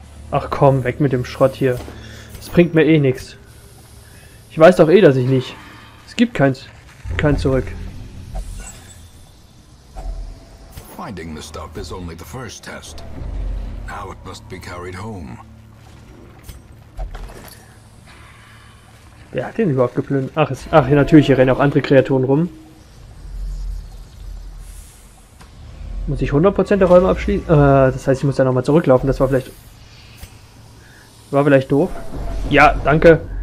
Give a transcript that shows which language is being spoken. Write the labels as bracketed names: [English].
[German] Ach komm, weg mit dem Schrott hier. Es bringt mir eh nichts. Ich weiß doch eh, dass ich nicht. Es gibt kein Zurück. [English] Finding the stuff is only the first test. Now it must be carried home. [German] Wer hat den überhaupt geplündert? Ach, natürlich, hier rennen auch andere Kreaturen rum. Muss ich 100% der Räume abschließen? Das heißt, ich muss da nochmal zurücklaufen. Das war vielleicht. War vielleicht doof. Ja, danke.